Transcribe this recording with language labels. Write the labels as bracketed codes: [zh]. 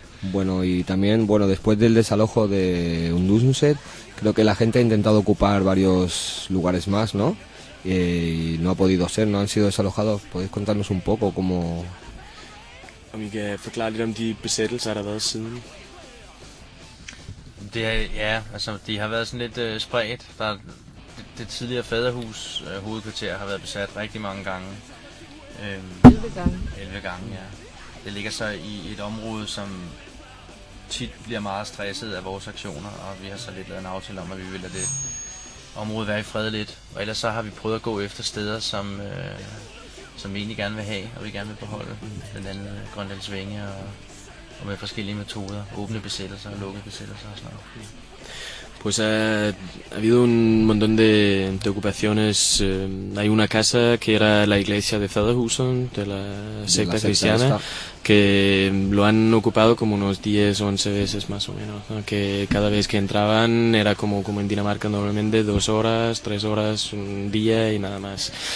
[es] Bueno, y también, bueno, después del desalojo de Undusset, creo que la gente ha intentado ocupar varios lugares más, ¿no? Y no ha podido ser, no han sido desalojados. ¿Podéis contarnos un poco cómo...? ¿Podéis explicar un poco de las besettelser que ha habido desde? [da] Det er, ja, altså de har været sådan lidt spredt. Der, det tidligere faderhus hovedkvarter har været besat rigtig mange gange. 11 gange, ja. Det ligger så i et område, som tit bliver meget stresset af vores aktioner, og vi har så lidt lavet en aftale om, at vi vil lade det område være i fred lidt. Og ellers så har vi prøvet at gå efter steder, som, som vi egentlig gerne vil have, og vi gerne vil beholde. Blandt andet Grøndals Vinge og med forskellige metoder. Åbne besættelser og lukkede besættelser og sådan noget. [es] Pues ha habido un montón de ocupaciones. Hay una casa que era la iglesia de Faderhusen, de la secta cristiana, que lo han ocupado como unos 10 o 11 veces más o menos, ¿no? Que cada vez que entraban era como en Dinamarca normalmente, 2 horas, 3 horas, un día y nada más.